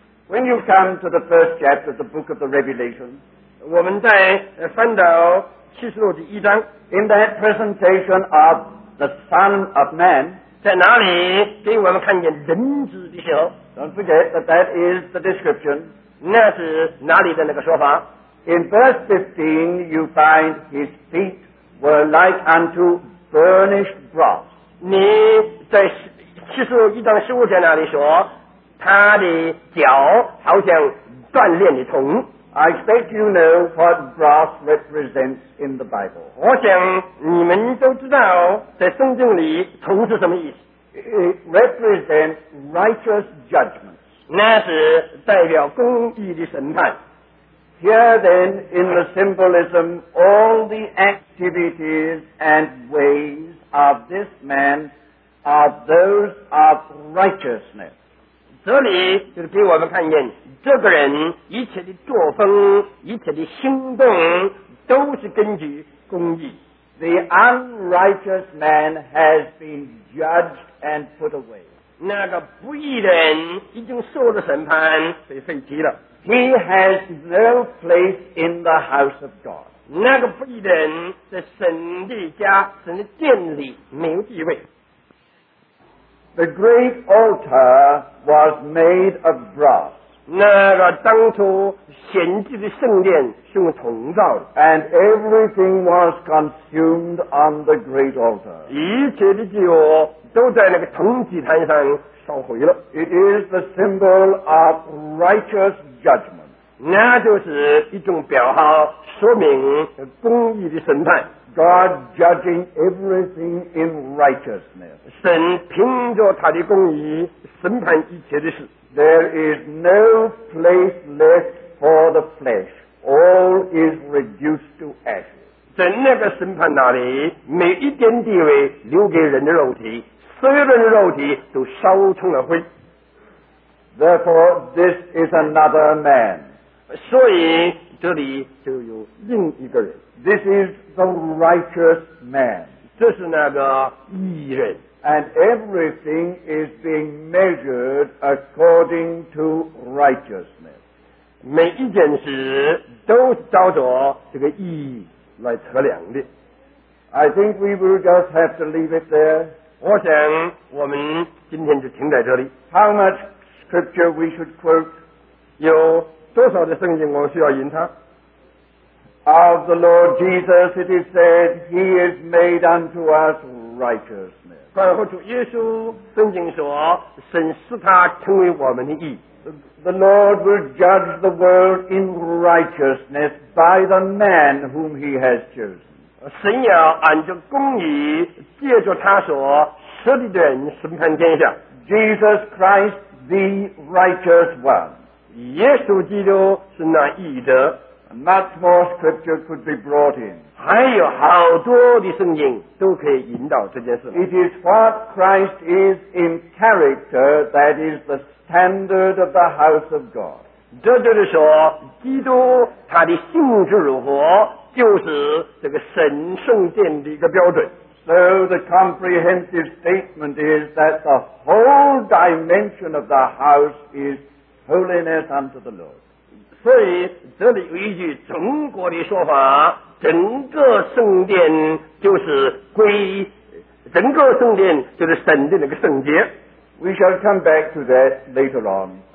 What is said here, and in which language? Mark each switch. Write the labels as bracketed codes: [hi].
[en] When you come to the first chapter of the book of the Revelation, [zh] 我们在翻到启示录第一章。 [en] In that presentation of the Son of Man, [zh] 在哪里给我们看见人子的时候 [en] ？Don't forget that that is the description. [zh] 那是哪里的那个说法 [en] ？In verse 15, you find his feet were like unto burnished brass. [zh] 你在启示录一章十五节那里说，他的脚好像锻炼的铜。 [en] I expect you know what brass represents in the Bible. [zh] 我想你们都知道在圣经里铜是什么意思。 [en] It represents righteous judgments. [zh] 那是代表公义的审判。 [en] Here then, in the symbolism, all the activities and ways of this man are those of righteousness. [zh] 这里就是给我们看见这个人一切的作风，一切的行动都是根据公义。 [en] The unrighteous man has been judged and put away. [zh] 那个不义人已经受了审判，被废弃了。 [en] He has no place in the house of God. [zh] 那个不义人在神的家、神的殿里没有地位。 [en] The great altar was made of brass. [zh] 那个当初献祭的圣殿是用铜造的 [en] ，and everything was consumed on the great altar. [zh] 一切的酒都在那个铜祭坛上烧毁了。 [en] It is the symbol of righteous judgment. [zh] 那就是一种表号，说明公义的审判。 [en] God judging everything in righteousness. [zh] 神凭着他的公义审判一切的事。 [en] There is no place left for the flesh. All is reduced to ashes. [zh] 在那个审判那里，每一点地位留给人的肉体，所有人的肉体都烧成了灰。 [en] Therefore, this is another man. [zh] 所以这里就有另一个人。 [en] This is the righteous man. [zh] 这是那个义人。 [en] And everything is being measured according to righteousness. [zh] 每一件事都照着这个义来测量的。 [en] I think we will just have to leave it there. [zh] 我想我们今天就停在这里。 [en] How much scripture we should quote? [zh] 有多少的圣经我需要引它？ [en] Of the Lord Jesus, it is said, He is made unto us righteousness. [zh] 关乎主耶稣，圣经说，神使他成为我们的义。 [en] The Lord will judge the world in righteousness by the man whom He has chosen. [zh] 神要按着公义，借着他所设立的人审判天下。 [en] Jesus Christ, the righteous one. [zh] 耶稣基督是那义的。 [en] Much more scripture could be brought in. [zh] 还有好多的圣经都可以引导这件事。 [en] It is what Christ is in character that is the standard of the house of God. [zh] 这就是说，基督他的性质如何，就是这个神圣殿的一个标准。 [en] So the comprehensive statement is that the whole dimension of the house is holiness unto the Lord. [zh] 所以这里有一句中国的说法，整个圣殿就是归，整个圣殿就是神的那个圣洁。 [en] We shall come back to that later on.